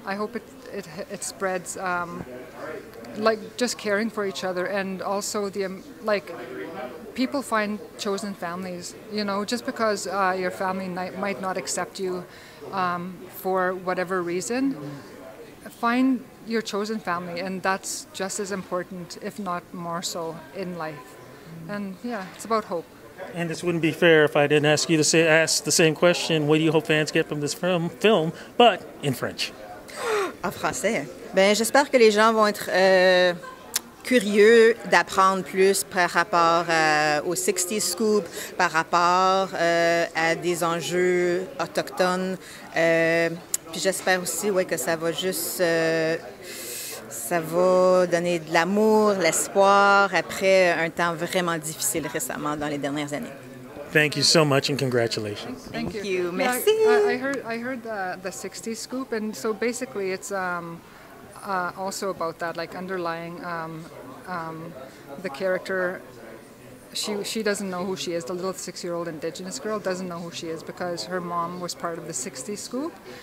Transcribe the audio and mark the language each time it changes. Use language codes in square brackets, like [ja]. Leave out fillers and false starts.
[en] I hope it spreads just caring for each other, and also people find chosen families, you know, just because your family might not accept you for whatever reason. Find your chosen family, and that's just as important, if not more so, in life. And yeah, it's about hope. And this wouldn't be fair if I didn't ask you to ask the same question. What do you hope fans get from this film, but in French? [fr] En français. Ben, j'espère que les gens vont être curieux d'apprendre plus par rapport au 60s scoop, par rapport à des enjeux autochtones. Puis j'espère aussi, ouais, que ça va juste... ça va donner de l'amour, l'espoir, après un temps vraiment difficile récemment dans les dernières années. [en] Thank you so much and congratulations. Thank you. [fr] Merci. [en] Yeah, I heard the 60s scoop, and so basically it's also about that, like underlying the character. She doesn't know who she is. The little six-year-old Indigenous girl doesn't know who she is because her mom was part of the 60s scoop.